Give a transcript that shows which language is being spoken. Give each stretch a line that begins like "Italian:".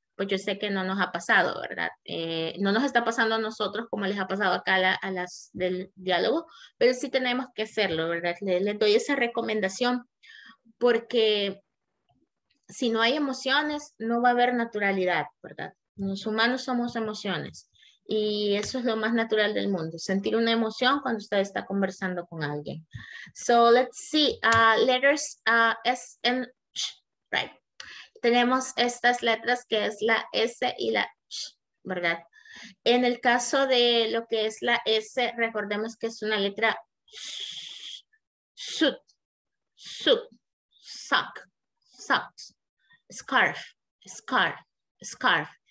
Spanish: pues yo sé que no nos ha pasado, ¿verdad? No nos está pasando a nosotros como les ha pasado acá a las del diálogo, pero sí tenemos que hacerlo, ¿verdad? Les doy esa recomendación porque si no hay emociones, no va a haber naturalidad, ¿verdad? Los humanos somos emociones y eso es lo más natural del mundo, sentir una emoción cuando usted está conversando con alguien.
English: So, let's see, letters S and Sh, right?
Spanish: Tenemos estas letras que es la S y la Sh, ¿verdad? En el caso de lo que es la S, recordemos que es una letra Sh, suit, suit, sock, socks, scarf, scarf, scarf.